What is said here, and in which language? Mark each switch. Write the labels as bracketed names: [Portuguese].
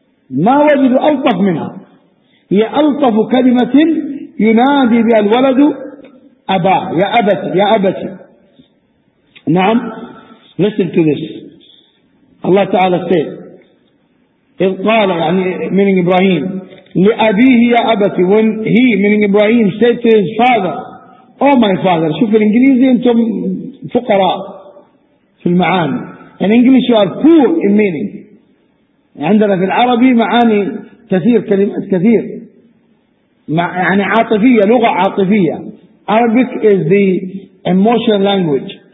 [Arabic] ما وجدوا ألطف منها. هي ألطف كلمة ينادي بها الولد أبا يا أبتي يا أبتي. [English] نعم. Listen to this. [Arabic] الله تعالى [English] said [Arabic] إذ قال يعني من إبراهيم لأبيه يا أبتي. [English] When he meaning Ibrahim said to his father, oh my father. [Arabic] شوف الإنجليزي أنتم فقراء في المعاني. [English] In English you are poor in meaning. [Arabic] عندنا في العربي معاني كثير كلمات كثير يعني عاطفية لغة عاطفية. [English] Arabic is the emotional language.